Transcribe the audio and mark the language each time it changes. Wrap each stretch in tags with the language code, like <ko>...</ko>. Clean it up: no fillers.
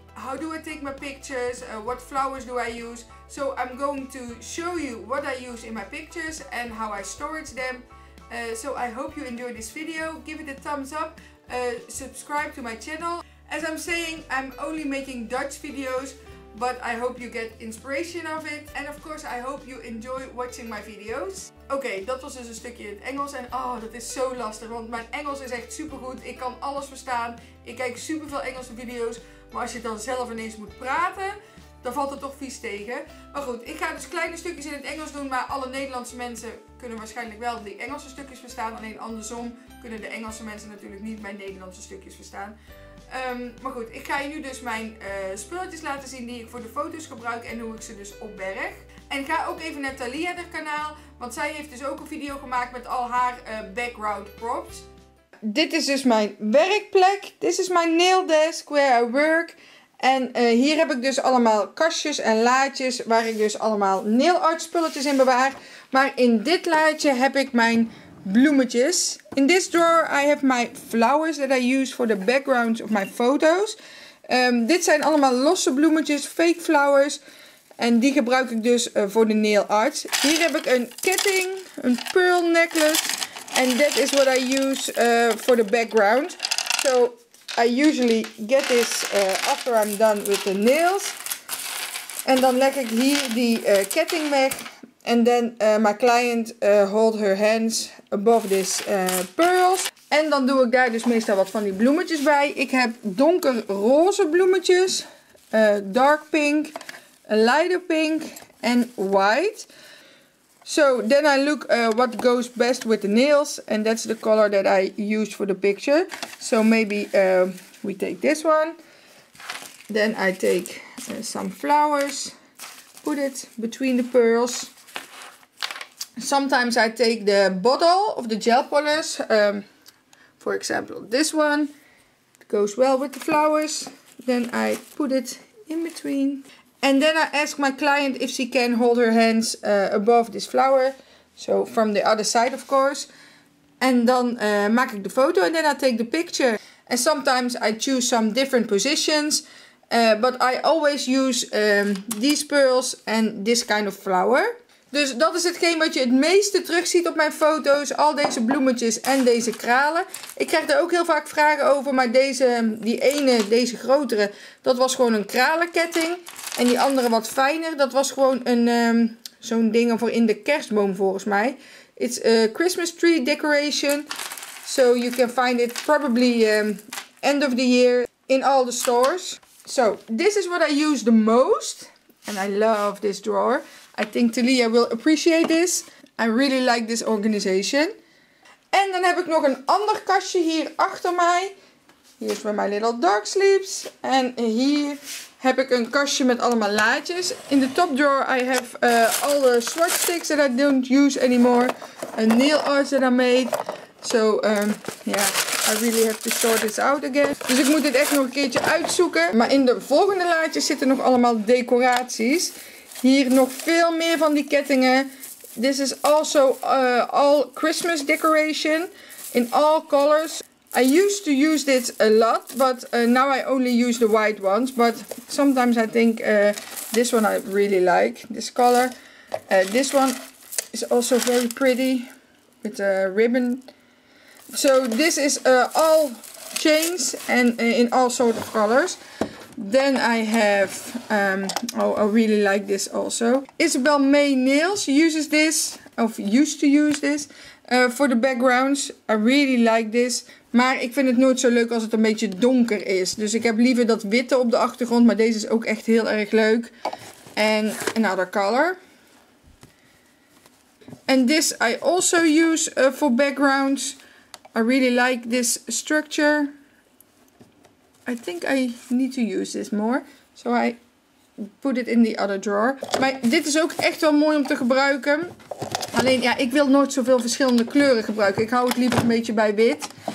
<en>How do I take my pictures? What flowers do I use? So I'm going to show you what I use in my pictures and how I storage them. So I hope you enjoy this video. Give it a thumbs up. Subscribe to my channel. As I'm saying, I'm only making Dutch videos, but I hope you get inspiration of it. And of course, I hope you enjoy watching my videos.</en> <nl>Okay, dat was dus een stukje in het Engels. En oh, dat is zo lastig, want mijn Engels is echt super goed. Ik kan alles verstaan. Ik kijk super veel Engelse video's. Maar als je dan zelf ineens moet praten, dan valt het toch vies tegen. Maar goed, ik ga dus kleine stukjes in het Engels doen. Maar alle Nederlandse mensen kunnen waarschijnlijk wel die Engelse stukjes verstaan. Alleen andersom kunnen de Engelse mensen natuurlijk niet mijn Nederlandse stukjes verstaan. Maar goed, ik ga je nu dus mijn spulletjes laten zien die ik voor de foto's gebruik en hoe ik ze dus opberg. En ga ook even naar Thalia haar kanaal, want zij heeft dus ook een video gemaakt met al haar</nl> <en>background props.</en> <nl>Dit is dus mijn werkplek. Dit is mijn nail desk</nl> <en>where I work.</en> <nl>En hier heb ik dus allemaal kastjes en laadjes waar ik dus allemaal nail art spulletjes in bewaar. Maar in dit laadje heb ik mijn bloemetjes.</nl> <en>In this drawer I have my flowers that I use for the backgrounds of my photos.</en> <nl>Dit zijn allemaal losse bloemetjes,</nl> <en>fake flowers.</en> <nl>En die gebruik ik dus voor de nail art. Hier heb ik een ketting, een</nl> <en>pearl necklace. And that is what I use for the background. So I usually get this after I'm done with the nails. And</en> <nl>dan leg ik hier die ketting weg.</nl> <en>And then my client hold her hands above this pearls.</en> <nl>En dan doe ik daar dus meestal wat van die bloemetjes bij. Ik heb donkerroze bloemetjes.</nl> <en>Dark pink. Lighter pink. En white. So then I look what goes best with the nails. And that's the color that I used for the picture. So maybe we take this one. Then I take some flowers. Put it between the pearls. Sometimes I take the bottle of the gel polish. For example this one. It goes well with the flowers. Then I put it in between. And then I ask my client if she can hold her hands above this flower. So from the other side of course. And then</en> <nl>maak ik de foto</nl> <en>and then I take the picture. And sometimes I choose some different positions. But I always use these pearls and this kind of flower.</en> <nl>Dus dat is hetgeen wat je het meeste terug ziet op mijn foto's. Al deze bloemetjes en deze kralen. Ik krijg daar ook heel vaak vragen over. Maar deze, die ene, deze grotere, dat was gewoon een kralenketting. En die andere wat fijner, dat was gewoon een zo'n ding voor in de kerstboom volgens mij.</nl> <en>It's a Christmas tree decoration. So you can find it probably end of the year in all the stores. So this is what I use the most. And I love this drawer. I think Thalia will appreciate this. I really like this organization.</en> <nl>En dan heb ik nog een ander kastje hier achter mij.</nl> <en>Here's where my little dog sleeps.</en> <nl>En hier heb ik een kastje met allemaal laadjes.</nl> <en>In the top drawer I have all the swatch sticks that I don't use anymore. een nail art that I made. So, yeah, I really have to sort this out again.</en> <nl>Dus ik moet dit echt nog een keertje uitzoeken. Maar in de volgende laadjes zitten nog allemaal decoraties. Hier nog veel meer van die kettingen.</nl> <en>This is also all Christmas decoration in all colors. I used to use this a lot, but now I only use the white ones. But sometimes I think this one I really like, this color. This one is also very pretty with a ribbon. So this is all chains and in all sort of colors. Then I have, I really like this also. Isabel May Nails uses this, of used to use this, for the backgrounds. I really like this.</en> <nl>Maar ik vind het nooit zo leuk als het een beetje donker is. Dus ik heb liever dat witte op de achtergrond. Maar deze is ook echt heel erg leuk.</nl> <en>En another color. And this I also use for backgrounds. I really like this structure. I think I need to use this more. So I put it in the other drawer.</en> <nl>Maar dit is ook echt wel mooi om te gebruiken. Alleen ja, ik wil nooit zoveel verschillende kleuren gebruiken. Ik hou het liever een beetje bij wit.</nl>